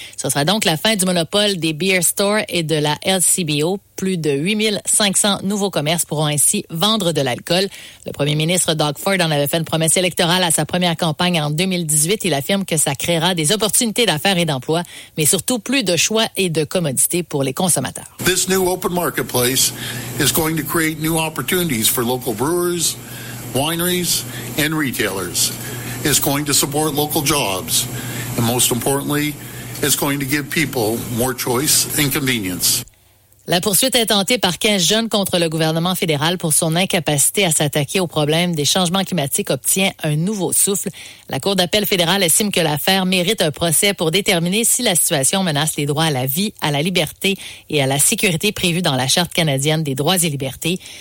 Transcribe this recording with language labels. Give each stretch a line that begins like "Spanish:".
French: Ce sera donc la fin du monopole des Beer Store et de la LCBO. Plus de 8500 nouveaux commerces pourront ainsi vendre de l'alcool. Le premier ministre Doug Ford en avait fait une promesse électorale à sa première campagne en 2018. Il affirme que ça créera des opportunités d'affaires et d'emplois, mais surtout plus de choix et de commodités pour les consommateurs.
English: This new open marketplace is going to create new opportunities for local brewers, wineries and retailers. It's going to support local jobs and most importantly, it's going to give people more choice and convenience.
French: La poursuite intentée par 15 jeunes contre le gouvernement fédéral pour son incapacité à s'attaquer au problème des changements climatiques obtient un nouveau souffle. La Cour d'appel fédérale estime que l'affaire mérite un procès pour déterminer si la situation menace les droits à la vie, à la liberté et à la sécurité prévus dans la Charte canadienne des droits et libertés.